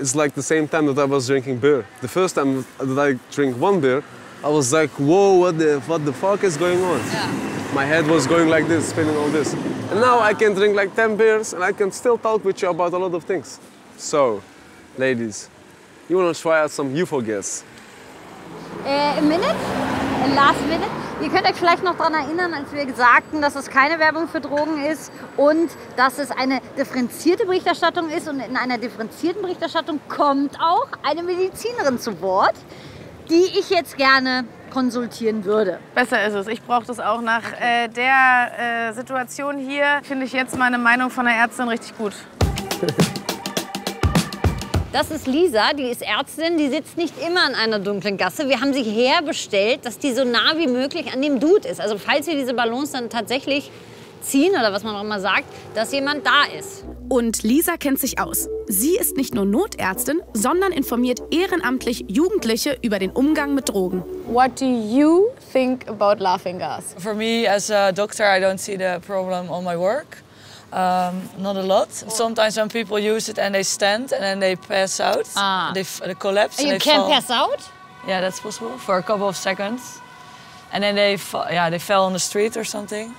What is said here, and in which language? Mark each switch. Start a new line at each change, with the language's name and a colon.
English: It's like the same time that I was drinking beer. The first time that I drink one beer, I was like, whoa, what the fuck is going on? Yeah. My head was going like this, spinning all this. And now I can drink like 10 beers and I can still talk with you about a lot of things. So, ladies, you want to try out some UFO gas? A minute? A last minute?
German: Ihr könnt euch vielleicht noch daran erinnern, als wir sagten, dass es keine Werbung für Drogen ist und dass es eine differenzierte Berichterstattung ist. Und in einer differenzierten Berichterstattung kommt auch eine Medizinerin zu Wort, die ich jetzt gerne konsultieren würde. Besser ist es. Ich brauche das auch nach der Situation hier. Finde ich jetzt meine Meinung von der Ärztin richtig gut. Das ist Lisa, die ist Ärztin. Die sitzt nicht immer in einer dunklen Gasse. Wir haben sie herbestellt, dass die so nah wie möglich an dem Dude ist. Also falls wir diese Ballons dann tatsächlich ziehen oder was man auch immer sagt, dass jemand da ist. Und Lisa kennt sich aus. Sie ist nicht nur Notärztin, sondern informiert ehrenamtlich Jugendliche über den Umgang mit Drogen.
English: What do you think about laughing gas? For me as a doctor, I don't see the problem on my work. Not a lot. Sometimes when people use it and they stand and then they pass out, they collapse. You can pass out? Yeah, that's possible for a couple of seconds. And then they they fell on the street or something.